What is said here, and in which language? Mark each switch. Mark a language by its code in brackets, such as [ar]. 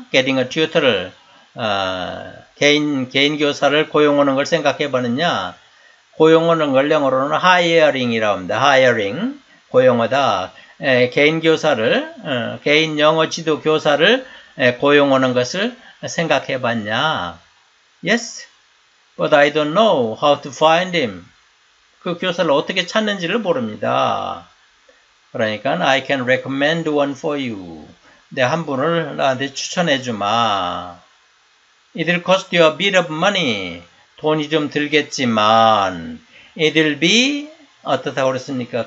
[en] Getting a tutor [ko] 를 개인 교사를 고용하는 걸 생각해 봤느냐? 고용하는 걸 영어로는 hiring이라고 합니다. Hiring, 고용하다. 개인 교사를 개인 영어 지도 교사를 고용하는 것을 생각해 봤냐? [en] Yes, but I don't know how to find him. [ko] 그 교사를 어떻게 찾는지를 모릅니다. 그러니까 [en] I can recommend one for you. [ko] 내가 한 분을 나한테 추천해 주마. [en] It'll cost you a bit of money. [ko] 돈이 좀 들겠지만 [en] It'll be [ko] 어떻다고 그랬습니까?